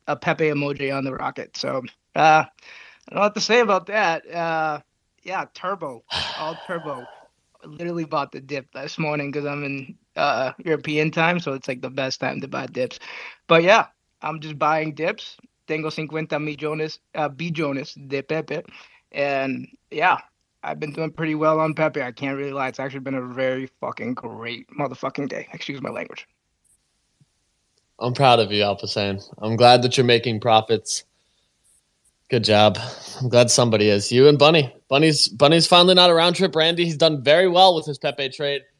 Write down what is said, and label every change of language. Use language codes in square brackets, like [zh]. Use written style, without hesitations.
[en] A Pepe emoji on the rocket. So I don't have to say about that. Turbo, all turbo. I literally bought the dip this morning because I'm in European time, so it's like the best time to buy dips. But yeah, I'm just buying dips. [es] Tengo 50 millones billones de Pepe, [en] and yeah. I've been doing pretty well on Pepe. I can't really lie. It's actually been a very fucking great motherfucking day. Excuse my language. I'm proud of you, Alpha Saiyan. I'm glad that you're making profits. Good job. I'm glad somebody is. You and Bunny. Bunny's finally not a round trip. Randy, he's done very well with his Pepe trade.